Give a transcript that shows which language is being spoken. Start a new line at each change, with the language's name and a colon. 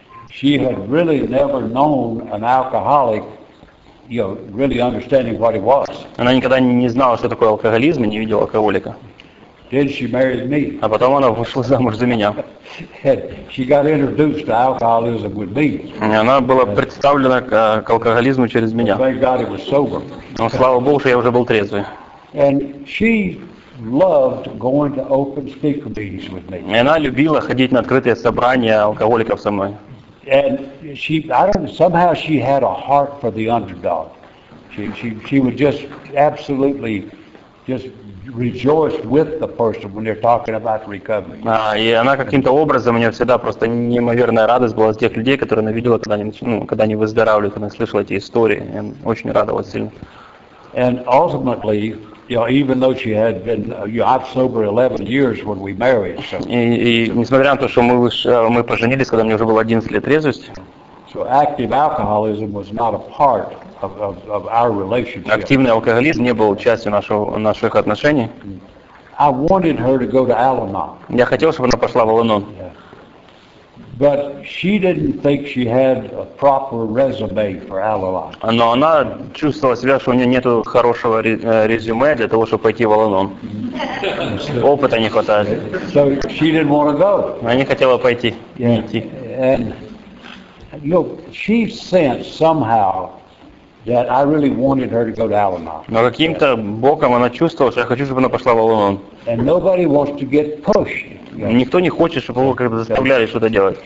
English: She had really never known an alcoholic, really understanding what it was.
Russian: Она никогда не знала, что такое алкоголизм, и не видела алкоголика.
English: Then she married me.
Russian: А потом она вышла замуж за меня.
English: She got introduced to alcoholism with me.
Russian: И она была представлена к алкоголизму через меня.
English: Thank God it was sober.
Russian: Но слава Богу, что я уже был трезвый.
English: And she loved going to open speaker meetings with me.
Russian: И она любила ходить на открытые собрания алкоголиков со мной.
English: And she, I don't know, somehow she had a heart for the underdog. She would just absolutely just rejoice with the person when they're talking about recovery.
Russian: И она каким-то образом, у нее всегда просто неимоверная радость была с тех людей, которые она видела, когда они выздоравливают, когда она слышала эти истории. И она очень радовалась сильно.
English: And ultimately, even though she had been, I've sober 11 years when we married. So.
Russian: И несмотря на то, что мы поженились, когда мне уже было 11 лет трезвости.
English: So active alcoholism was not a part of our relationship.
Russian: Активный алкоголизм не был частью наших отношений.
English: I wanted her to go to Al-Anon.
Russian: Я хотел, чтобы она пошла в Al-Anon.
English: But she didn't think she had a proper resume for Al-Anon.
Russian: Но она чувствовала себя, что у нее нету хорошего резюме для того, чтобы пойти в Al-Anon. Опыта не хватает.
English: So she didn't want to go.
Russian: Она не хотела пойти. Идти.
English: And she sensed somehow that I really wanted her to go to Al-Anon.
Russian: Но каким-то боком она чувствовала, что я хочу, чтобы она пошла в Al-Anon.
English: And nobody wants to get pushed.
Russian: Никто не хочет, чтобы его как-то заставляли что-то делать.